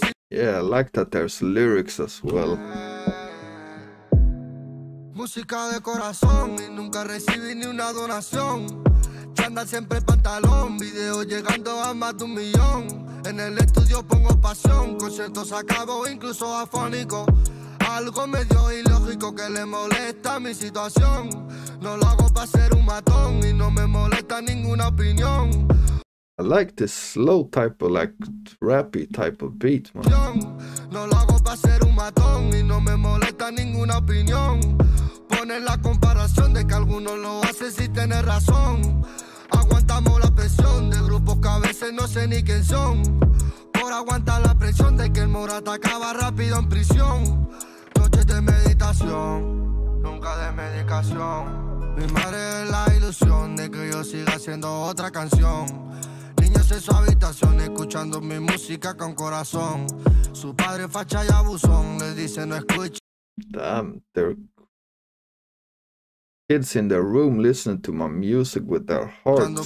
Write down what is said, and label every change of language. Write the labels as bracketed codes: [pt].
[en] Yeah, I like that there's lyrics as well. [es] Música de corazón y nunca recibí ni una donación. Chanda siempre pantalón, video llegando a más de un millón. En el estudio pongo pasión, conciertos acabo incluso afónico. Algo medio ilógico que le molesta mi situación. No lo hago para ser un matón y no me molesta ninguna opinión. [en] I like this slow type of like rappy type of beat, man. [es] No lo hago para ser un matón y no me molesta ninguna opinión. Poner la comparación de que algunos lo hacen sin tener razón. Aguantamos la presión de grupos que a veces no sé ni quién son. Por aguantar la presión de que el Morad acaba rápido en prisión. Noches de meditación, nunca de medicación. Mi madre es la ilusión de que yo siga haciendo otra canción. Niños en su habitación escuchando mi música con corazón. Su padre facha y abusón, le dice no escuche. [en] Damn, they're... Kids in their room listening to my music with their hearts.